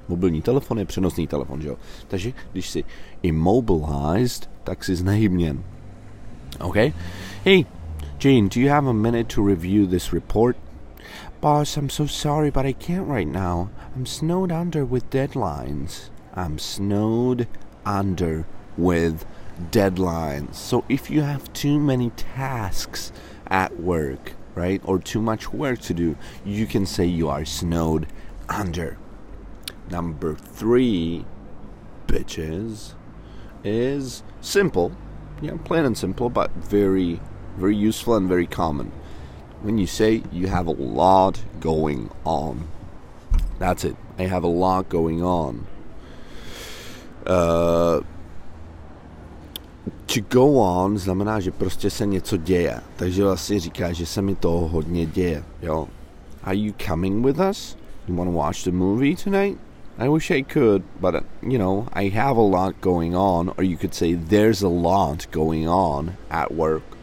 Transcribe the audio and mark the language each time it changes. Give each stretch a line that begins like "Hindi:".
Czech: Mobilní telefon je přenosný telefon, jo? Takže když jsi immobilized, tak jsi znehybněn.
English: OK? Hey, Jane, do you have a minute to review this report? Boss, I'm so sorry, but I can't right now. I'm snowed under with deadlines. I'm snowed under with deadlines. So if you have too many tasks at work, right, or too much work to do, you can say you are snowed under. Number three, bitches, is simple. Yeah, plain and simple, but very, very useful and very common. When you say you have a lot going on, that's it. I have a lot going on.
Czech: To go on znamená, že prostě se něco děje. Takže vlastně říká, že se mi toho hodně děje, jo.
English: Are you coming with us? You want to watch the movie tonight? I wish I could, but, you know, I have a lot going on. Or you could say, there's a lot going on at work.